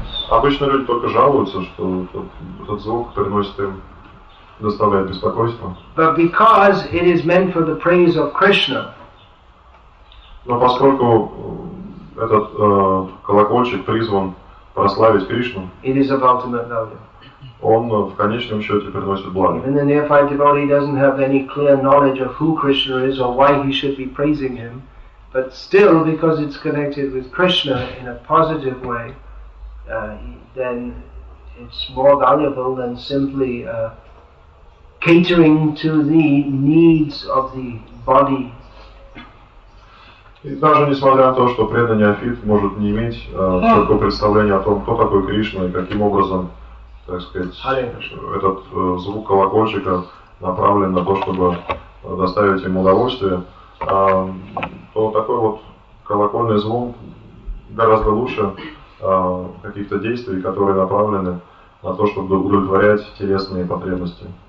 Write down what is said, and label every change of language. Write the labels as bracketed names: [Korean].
[Russian] Обычно люди только жалуются, что этот звук приносит им, доставляет беспокойство. [English] But because it is meant for the praise of Krishna. [Russian] Но поскольку этот колокольчик призван прославить Кришну, [English] it is of ultimate value. [Russian] он в конечном счете приносит благо. [English] Even the neophyte devotee doesn't have any clear knowledge of who Krishna is or why he should be praising him, but still, because it's connected with Krishna in a positive way, then it's more valuable than simply catering to the needs of the body. [Russian] И даже несмотря на то, что преданный неофит может не иметь четкого представления о том, кто такой Кришна и каким образом, так сказать, этот звук колокольчика направлен на то, чтобы доставить ему удовольствие, то такой вот колокольный звон гораздо лучше каких-то действий, которые направлены на то, чтобы удовлетворять телесные потребности.